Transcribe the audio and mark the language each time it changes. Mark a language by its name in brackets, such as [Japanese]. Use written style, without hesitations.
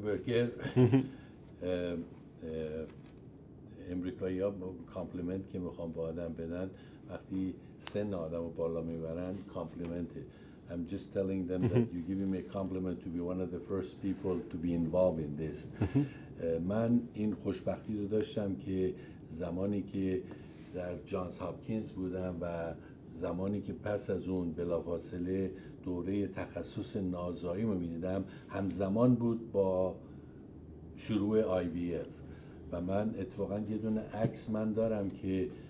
[Persian] Berger, امریکایی‌ها کامپلیمنت که میخوام به آدم بدن وقتی سن آدم رو بالا میبرن کامپلیمنته. [English] I'm just telling them that you give me a compliment to be one of the first people to be involved in this. [Persian] من این خوشبختی رو داشتم که زمانی که در جانز هاپکینز بودم و زمانی که پس از اون بلافاصله دوره تخصص نازایی رو میدیدم همزمان بود با شروع IVF. و من اتفاقا یه دونه عکس من دارم که